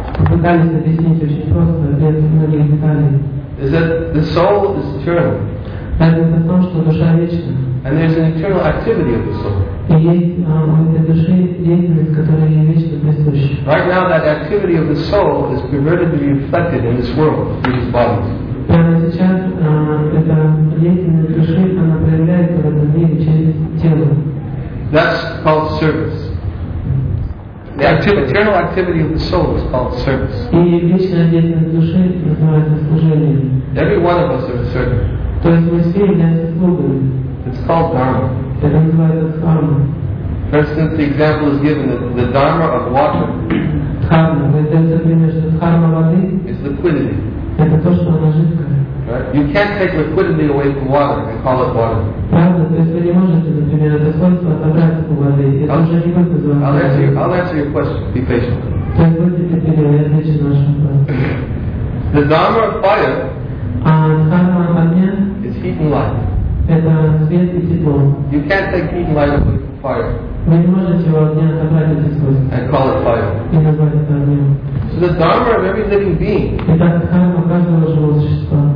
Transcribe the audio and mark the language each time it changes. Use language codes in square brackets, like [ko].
[ru] Пытались объяснить очень просто, без многих деталей. [en] Is that the soul is eternal? [ru] Это о том, что душа вечна. [en] And there's an eternal activity of the soul. [ru] И есть у этой души деятельность, которая вечно присуща. [en] Right now that activity of the soul is pervertedly reflected in this world through these bodies. [ru] Прямо сейчас эта деятельность души, она проявляется в этом мире через тело. [en] That's called service. The eternal activity of the soul is called service. [ru] И вечная деятельность души называется служением. [en] Every one of us is a servant. [ru] То есть мы все являемся слугами. [en] It's called dharma. [ru] Это называется дхарма. [en] For instance, the example is given that the dharma of water. [ru] Дхарма. Вы даете пример, что дхарма воды. [en] Is liquidity. [ru] Это то, что она жидкая. [en] Right? You can't take liquidity away from water and call it water. [ru] Правда, то есть вы не можете, например, это свойство отобрать у воды. Это уже не будет называться. [en] I'll answer your question. Be patient. [ru] То есть будьте терпеливы, я отвечу на ваш вопрос. [en] The dharma of fire. [ru] А дхарма огня. [en] Is heat and light. [ru] Это свет и тепло. [en] You can't take heat and light away from fire. [ru] Вы не можете его огня отобрать эти свойства. [en] And call it fire. [ru] И назвать это огнем. [en] So the dharma of every living being. [ru] Итак, дхарма каждого живого существа.